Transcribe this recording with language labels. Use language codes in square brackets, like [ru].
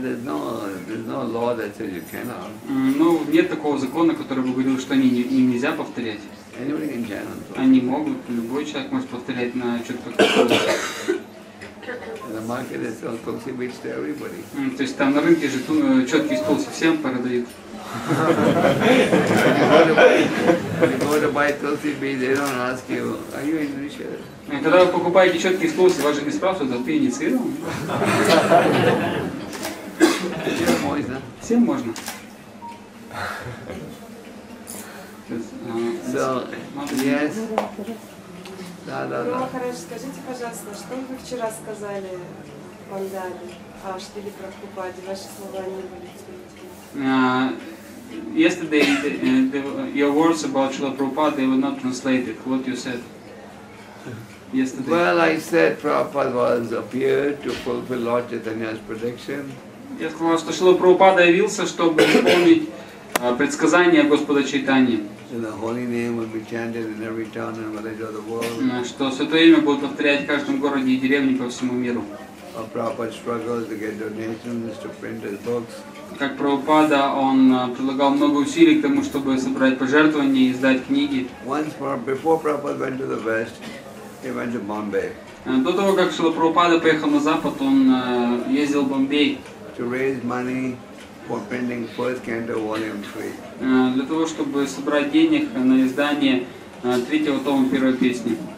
[en] There's no law that says you cannot. [ru] Ну, нет такого закона, который бы говорил, что они нельзя повторять. [en] Anybody can chant. [ru] Они могут. Любой человек может повторять на четках. [en] The market is all Tulsi beads to everybody. [ru] То есть там на рынке же четки из Тулси всем продают. [en] You go to buy Tulsi beads, they don't ask you, are you initiated? [ru] Когда вы покупаете четки из Тулси, вас же не спрашивают, а ты инициирован? Всем можно. Всем можно. [en] So, yes. [ru] Да. Ну, Махарадж, скажите, пожалуйста, что вы вчера сказали в Пандале, а что ли Прабхупаде? Ваши слова не были [en] translated. Yesterday, your words about Srila Prabhupada, they were not translated. What you said? Yesterday. Well, I said Prabhupada was appeared to fulfill Lord Chaitanya's prediction. [ru] Я сказал, что Шрила Прабхупада явился, чтобы исполнить предсказание Господа Чайтани. [en] The holy name will be chanted in every town and village of the world. [ru] Что святое имя будет повторять в каждом городе и деревне по всему миру. [en] Prabhupada struggles to get donations to print his books. [ru] Как Прабхупада, он прилагал много усилий к тому, чтобы собрать пожертвования и издать книги. [en] Before Prabhupada went to the West, he went to Bombay. [ru] До того, как Шрила Прабхупада поехал на Запад, он ездил в Бомбей. [en] To raise money for printing first canto volume 3. [ru] Для того, чтобы собрать денег на издание третьего тома первой песни.